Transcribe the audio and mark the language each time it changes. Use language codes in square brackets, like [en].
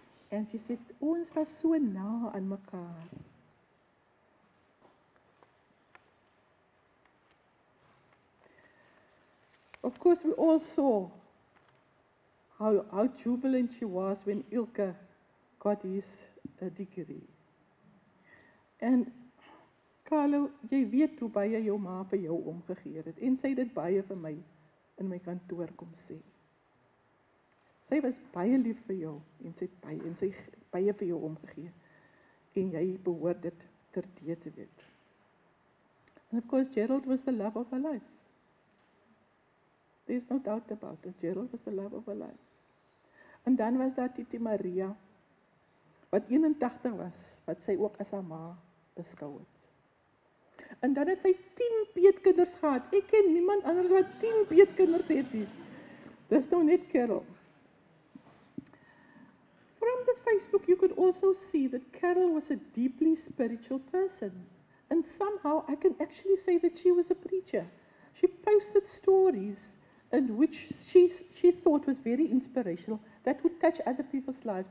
[en] And she said, [af] ons was so na aan mekaar. [en] Of course, we all saw how jubilant she was when Ilka got his degree. [af] And Carlo, jy weet hoe baie jou ma vir jou omgegeer het. En sy het dit baie vir my in my kantoor kom sê. Sy was baie lief vir jou en sy baie vir jou omgegeer. En jy behoort dit terdee te weet. [en] And of course, Gerald was the love of her life. There's no doubt about it. Gerald was the love of her life. [af] En dan was daar Titi Maria, wat 81 was, wat sy ook as haar ma beskou het. En dan het sy 10 peetkinders gehad. Ek ken niemand anders wat 10 peetkinders het nie. Dis nou net Carol. [en] From the Facebook, you could also see that Carol was a deeply spiritual person. And somehow, I can actually say that she was a preacher. She posted stories in which she thought was very inspirational that would touch other people's lives.